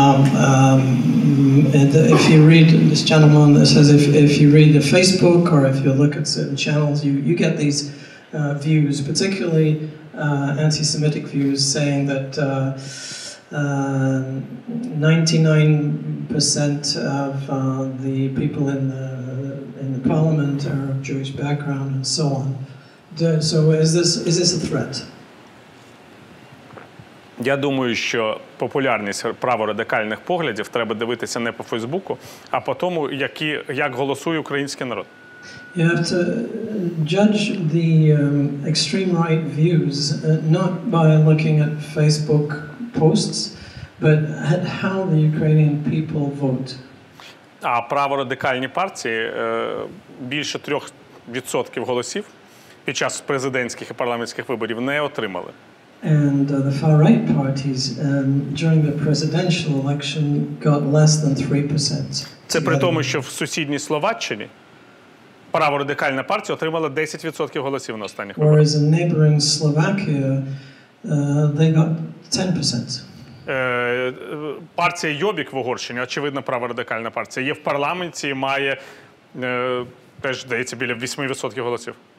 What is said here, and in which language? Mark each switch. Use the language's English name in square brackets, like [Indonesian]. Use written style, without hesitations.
[English] If you read this gentleman that says if you read the Facebook or if you look at certain channels, you get these views, particularly anti-Semitic views, saying that 99% of the people in the parliament are of Jewish background and so on. So is this a threat? [Ukrainian] Я думаю, що популярність праворадикальних поглядів треба дивитися не по Фейсбуку, а по тому, як голосує український народ. [English] You have to judge the extreme right views not by looking at Facebook posts, but at how the Ukrainian people vote. [Ukrainian] А праворадикальні партії більше 3% голосів під час президентських і парламентських виборів не отримали. [English] And the far right parties during the presidential election got less than 3%. [Ukrainian] Це при тому, що в сусідній Словаччині праворадикальна партія отримала 10% голосів на останніх виборах. [English] Whereas in neighboring Slovakia, they got 10%. [Ukrainian] Партія Йобік в Угорщині, очевидно, праворадикальна партія, є в парламенті і має теж, здається, біля 8% голосів.